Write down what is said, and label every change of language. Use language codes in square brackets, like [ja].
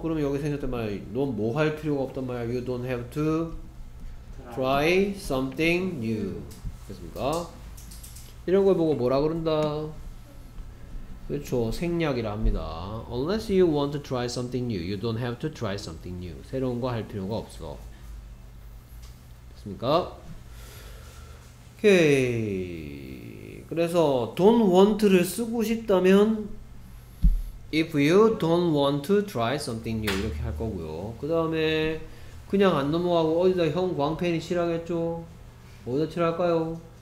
[ko] 그럼 여기 생겼단 말이야. 넌 뭐 할 필요가 없단 말이야. [en] You don't have to try something new. [ko] 됐습니까? 이런 걸 보고 뭐라 그런다? 그렇죠. 생략이라 합니다. [en] Unless you want to try something new, you don't have to try something new. [ko] 새로운 거 할 필요가 없어. 됐습니까? 오케이. 그래서 [en] don't want [ko] 를 쓰고 싶다면 [en] if you don't want to try something new [ko] 이렇게 할 거고요. 그 다음에 그냥 안 넘어가고 어디다 형 광팬이 칠하겠죠? 어디다 칠할까요?